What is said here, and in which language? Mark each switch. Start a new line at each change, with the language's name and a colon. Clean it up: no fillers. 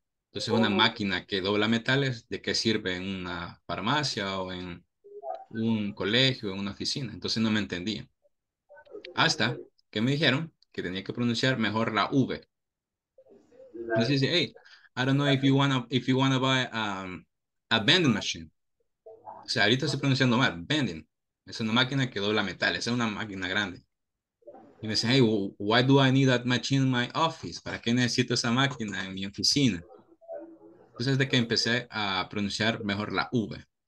Spanish: Entonces, una máquina que dobla metales, ¿de qué sirve en una farmacia o en un colegio, en una oficina? Entonces, no me entendía. Hasta que me dijeron que tenía que pronunciar mejor la V. Entonces, dice,
English: hey, I don't know if you wanna buy a vending machine.
Spanish: O sea, ahorita estoy pronunciando mal, vending. Es una máquina que dobla metales, es una máquina grande. Y me dice,
English: hey, why do I need that machine in my office?
Spanish: ¿Para qué necesito esa máquina en mi oficina? Entonces, de que empecé a pronunciar mejor la V.